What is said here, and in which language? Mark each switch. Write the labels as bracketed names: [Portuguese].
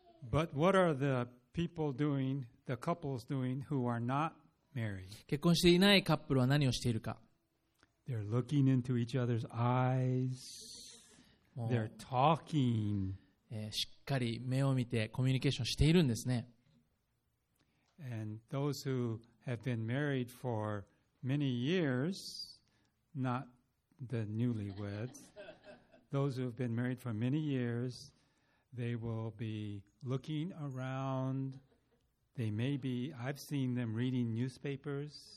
[English] But what are the people doing, the couples doing who are not married? [Japanese] 結婚していないカップルは何をしているか。 [English] They're looking into each other's eyes. They're talking. [Japanese] しっかり目を見てコミュニケーションしているんですね。 [English] And those who have been married for many years, not the newlyweds, those who have been married for many years, they will be looking around. They may be, I've seen them reading newspapers.